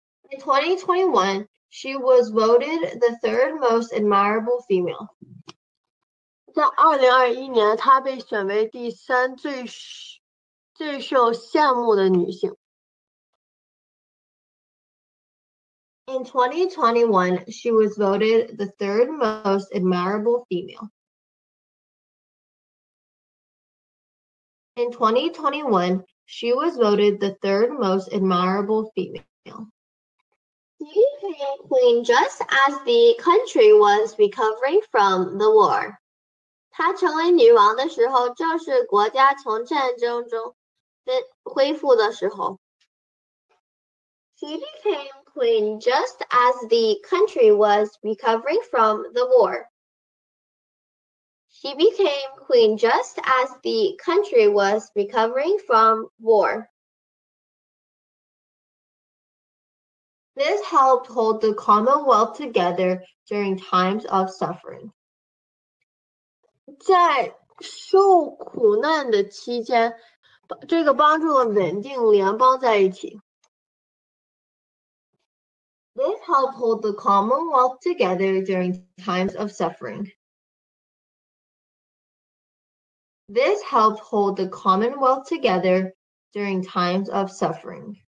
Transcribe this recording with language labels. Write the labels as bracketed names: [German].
[English] In 2021, she was voted the third most admirable female. [Chinese] 在2021年，她被选为第三最受羡慕的女性。 [English] In 2021, she was voted the third most admirable female. In 2021, she was voted the third most admirable female. She became queen just as the country was recovering from the war. [Chinese] 她成为女王的时候，正是国家从战争中恢复的时候。 [English] She became queen just as the country was recovering from the war. She became queen just as the country was recovering from war. This helped hold the Commonwealth together during times of suffering. [Chinese] 在受苦难的期间，这个帮助了稳定联邦在一起。 [English] This helped hold the Commonwealth together during times of suffering. This helped hold the Commonwealth together during times of suffering.